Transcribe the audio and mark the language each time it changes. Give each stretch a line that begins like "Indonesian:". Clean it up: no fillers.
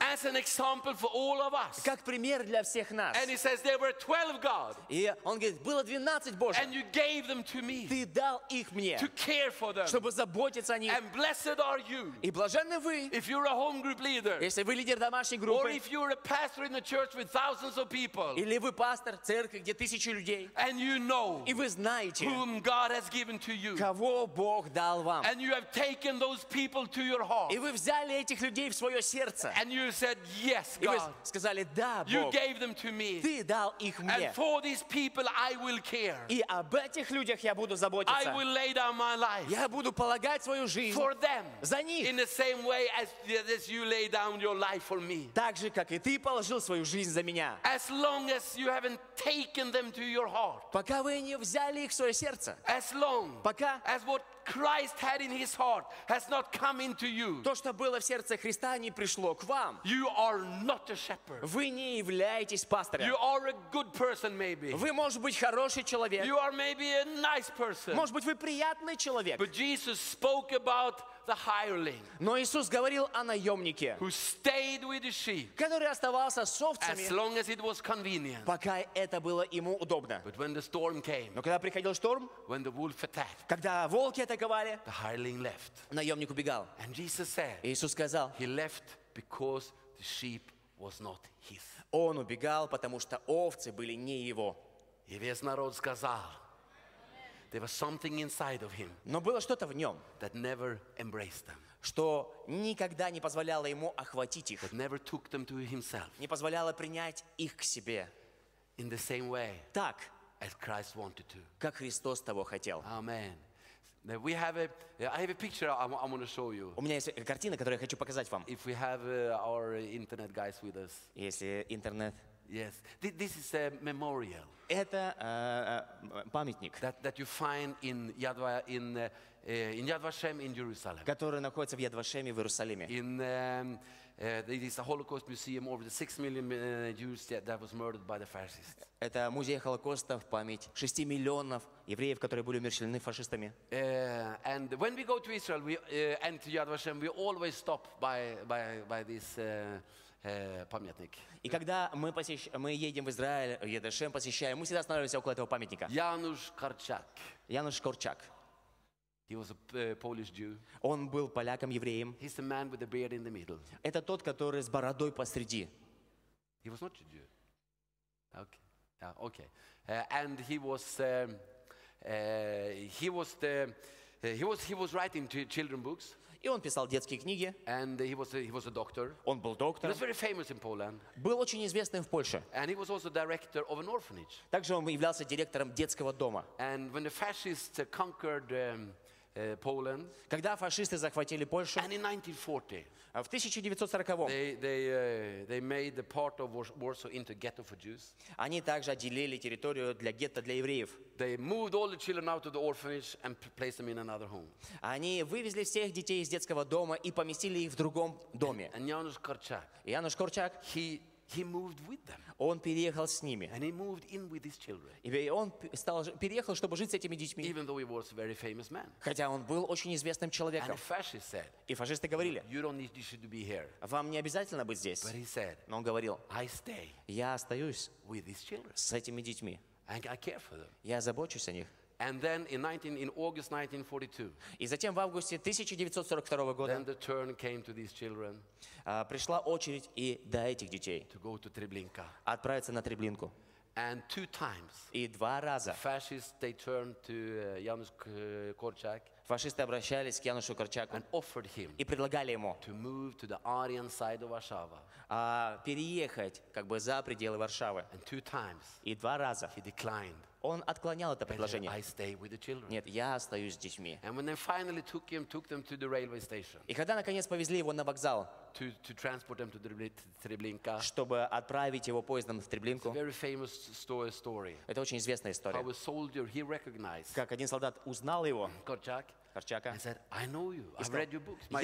English: As an example for all of us.
Russian: Как пример для всех нас.
English: And he says there were 12 God.
Russian: И он говорит, было 12 Божьих.
English: And you gave them to me.
Russian: Ты дал их мне.
English: To care for them.
Russian: Чтобы заботиться о них.
English: And blessed are you.
Russian: И блаженны вы.
English: If you're a home group leader.
Russian: Если вы лидер домашней группы.
English: Or if you're a pastor in a church with thousands of people.
Russian: Или вы пастор церкви, где тысячи людей.
English: And you know.
Russian: И вы знаете.
English: Whom God has given to you.
Russian: Кого Бог дал вам?
English: And you have taken those people to your heart.
Russian: И вы взяли этих людей в свое сердце.
English: And you said yes, God.
Russian: И вы сказали да, Бог.
English: You gave them to me.
Russian: Ты дал их мне.
English: And for these people I will care.
Russian: И об этих людях я буду заботиться.
English: I will lay down my life.
Russian: Я буду полагать свою жизнь.
English: For them.
Russian: За них.
English: In the same way as you lay down your life for me.
Russian: Так же как и ты положил свою жизнь за меня.
English: As long as you haven't taken them to your heart.
Russian: Пока вы не взяли их в свое сердце.
English: As long.
Russian: Пока.
English: As what Christ had in His heart has not come into you.
Russian: То, что было в сердце Христа, не пришло к вам.
English: You are not a shepherd.
Russian: Вы не являетесь пастором.
English: You are a good person, maybe.
Russian: Вы, может быть, хороший человек.
English: You are maybe a nice person.
Russian: Может быть, вы приятный человек.
English: But Jesus spoke about the hireling.
Russian: Но Иисус говорил о наемнике,
English: who stayed with the sheep,
Russian: который оставался с овцами,
English: as long as it was convenient.
Russian: Пока это было ему удобно.
English: But when the storm came,
Russian: но когда приходил шторм,
English: when the wolf attacked,
Russian: когда волки атаковали,
English: the hireling left.
Russian: Наемник убегал.
English: And Jesus said,
Russian: Иисус сказал,
English: he left because the sheep was not his.
Russian: Он убегал, потому что овцы были не его. И весь народ сказал.
English: There was something inside of him.
Russian: Но было что-то в нем.
English: That never embraced them.
Russian: Что никогда не позволяло ему охватить их.
English: That never took them to himself.
Russian: Не позволяло принять их к себе.
English: In the same way.
Russian: Так.
English: As Christ wanted to.
Russian: Как Христос того хотел.
English: Amen. Now we have a. I have a picture I want to show you.
Russian: У меня есть картина, которую я хочу показать вам.
English: If we have our internet guys with us.
Russian: Если интернет.
English: Yes, this is a memorial.
Russian: Это памятник.
English: That you find in Yad Vashem in Jerusalem.
Russian: Который находится в Яд Вашеме в Иерусалиме.
English: It is a Holocaust museum over the 6 million Jews that was murdered by the fascists.
Russian: Это музей Холокоста в память 6 миллионов евреев, которые были умерщвлены фашистами.
English: And when we go to Israel, and to Yad Vashem, we always stop by this.
Russian: Памятник. И когда мы едем в Израиль, Едешем посещаем, мы всегда останавливаемся около этого памятника. Януш Корчак. Януш Корчак.
English: He was a Polish Jew.
Russian: Он был поляком евреем.
English: He's the man with the beard in the middle.
Russian: Это тот, который с бородой посреди.
English: He was not a Jew. Okay. Okay. And he was writing children books.
Russian: И он писал детские книги.
English: And he was a doctor.
Russian: Он был доктором.
English: He was very famous in Poland.
Russian: Был очень известным в Польше.
English: And he was also director of an orphanage.
Russian: Также он являлся директором детского дома.
English: And when the fascists conquered Poland,
Russian: когда фашисты захватили Польшу,
English: and in 1940,
Russian: в 1940-м,
English: they made the part of Warsaw into a ghetto for Jews.
Russian: Они также отделили территорию для гетто для евреев.
English: They moved all the children out of the orphanage and placed them in another home.
Russian: Они вывезли всех детей из детского дома и поместили их в другом доме.
English: And Janusz Korczak. Janusz Korczak. He moved with them.
Russian: Он переехал с ними.
English: And he moved in with his children.
Russian: И он переехал, чтобы жить с этими детьми.
English: Even though he was a very famous man.
Russian: Хотя он был очень известным человеком.
English: And fascists said.
Russian: И фашисты говорили.
English: You don't need this to be here.
Russian: Вам не обязательно быть здесь.
English: But he said.
Russian: Но он говорил.
English: I stay.
Russian: Я остаюсь.
English: With his children.
Russian: С этими детьми.
English: And I care for them.
Russian: Я забочусь о них.
English: And then in August 1942.
Russian: И затем в августе 1942 года.
English: Then the turn came to these children.
Russian: Пришла очередь и до этих детей.
English: To go to Treblinka.
Russian: Отправиться на Треблинку.
English: And two times.
Russian: И два раза.
English: Fascists they turned to Janusz Korczak.
Russian: Фашисты обращались к Янушу Корчаку.
English: And offered him.
Russian: И предлагали ему.
English: To move to the Aryan side of Warsawa.
Russian: Переехать как бы за пределы Варшавы.
English: And two times.
Russian: И два раза.
English: He declined.
Russian: Он отклонял это предложение.
English: I stay with the children.
Russian: Нет, я остаюсь с детьми.
English: And when they finally took them to the railway station.
Russian: И когда наконец повезли его на вокзал.
English: To transport them to Treblinka.
Russian: Чтобы отправить его поездом в Треблинку.
English: It's a very famous story.
Russian: Это очень известная история.
English: How a soldier he recognized.
Russian: Как один солдат узнал его.
English: Korczak.
Russian: Корчака.
English: And said, I know you. I've read your books. My,